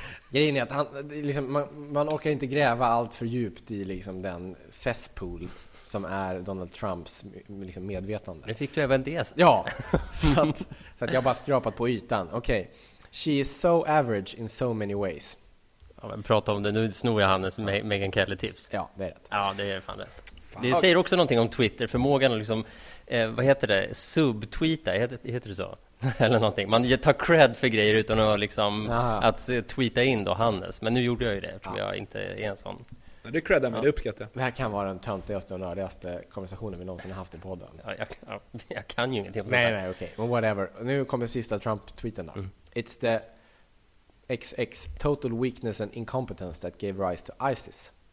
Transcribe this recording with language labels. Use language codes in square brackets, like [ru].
[sv] Grejen är att han, liksom, man orkar inte gräva allt för djupt i liksom, den cesspool som är Donald Trumps liksom, medvetande. Nu fick du även det. Ja, så att jag bara skrapat på ytan. Okej. [en] Okay. She is so average in so many ways. [sv] Ja, men prata om det, nu snor jag Hannes Megyn Kelly-tips. Ja, det är rätt. Ja, det är fan rätt. Det säger också någonting om Twitter, förmågan att liksom, vad heter det, subtweeta, heter det så? Eller någonting. Man tar cred för grejer utan att, liksom, att tweeta in då Hannes. Men nu gjorde jag ju det, eftersom jag inte är en sån. Men du creddar mig, det uppskattar. Det här kan vara den töntigaste och nördigaste konversationen vi någonsin har haft i podden. Ja, jag kan ju ingenting. Nej, okej. [en] Okay. Whatever. [sv] Nu kommer sista Trump-tweeten då. Mm. [en] It's the XX total weakness and incompetence that gave rise to ISIS.